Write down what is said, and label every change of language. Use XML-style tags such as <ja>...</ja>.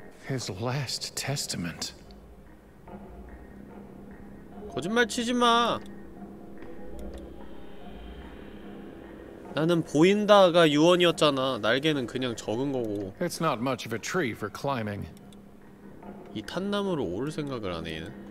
<en>His last testament.</en> <ko>거짓말 치지 마. 나는 보인다가 유언이었잖아. 날개는 그냥 적은 거고.</ko> <en>It's not much of a tree for climbing.</en> <ko>이 탄나무로 오를 생각을 안 해.</ko>